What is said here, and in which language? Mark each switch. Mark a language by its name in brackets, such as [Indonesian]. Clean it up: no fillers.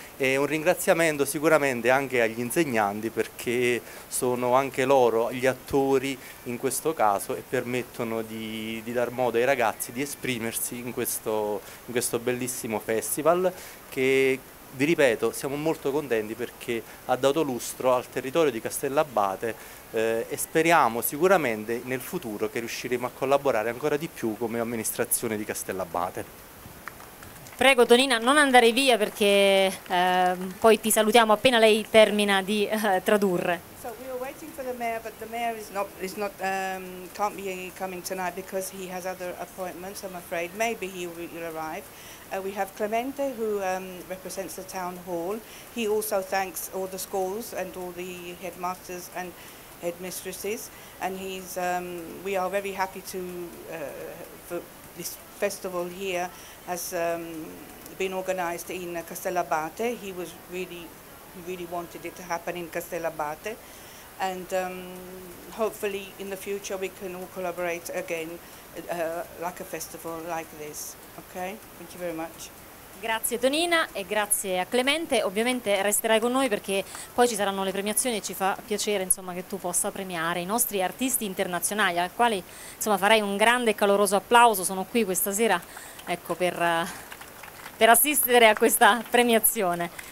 [Italian] E un ringraziamento sicuramente anche agli insegnanti, perché sono anche loro gli attori in questo caso e permettono di dar modo ai ragazzi di esprimersi in questo bellissimo festival che, vi ripeto, siamo molto contenti perché ha dato lustro al territorio di Castellabate e speriamo sicuramente nel futuro che riusciremo a collaborare ancora di più come amministrazione di Castellabate. Prego Tonina, non andare via perché poi ti salutiamo appena lei termina di tradurre. [English] So we were waiting for the mayor, but the mayor is not can't be coming tonight because he has other appointments, I'm afraid. Maybe he will arrive. We have Clemente who represents the town hall. He also thanks all the schools and all the headmasters and headmistresses, and he's we are very happy to for this festival here has been organized in Castellabate. He was really wanted it to happen in Castellabate, and hopefully in the future we can all collaborate again like a festival like this. Okay, thank you very much. [Italian] Grazie Tonina e grazie a Clemente, ovviamente resterai con noi perché poi ci saranno le premiazioni e ci fa piacere insomma che tu possa premiare i nostri artisti internazionali, ai quali insomma farei un grande e caloroso applauso. Sono qui questa sera, ecco, per assistere a questa premiazione.